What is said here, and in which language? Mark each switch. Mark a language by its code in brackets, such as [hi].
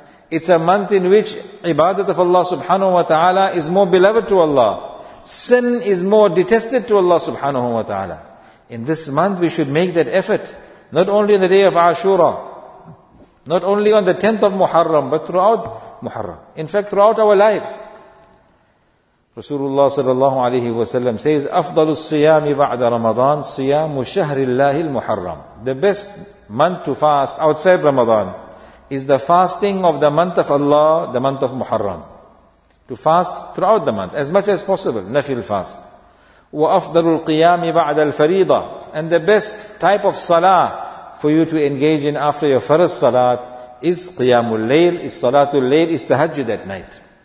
[en] It's a month in which ibadat of Allah subhanahu wa ta'ala is more beloved to Allah. Sin is more detested to Allah subhanahu wa ta'ala. In this month we should make that effort, not only on the day of Ashura, not only on the 10th of Muharram, but throughout Muharram. In fact, throughout our lives. Rasulullah sallallahu alayhi wa sallam says, [ar] أَفْضَلُ الصِّيَامِ بَعْدَ رَمَضَانَ صِيَامُ شَهْرِ اللَّهِ الْمُحَرَّمِ. [en] The best month to fast outside Ramadan is the fasting of the month of Allah, the month of Muharram. To fast throughout the month, as much as possible, nafil fast. [ar] وَأَفْضَلُ الْقِيَامِ بَعْدَ الْفَرِيضَةِ. [en] And the best type of salah for you to engage in after your farz salat is qiyamul layl, is salatul layl, is tahajjud at night.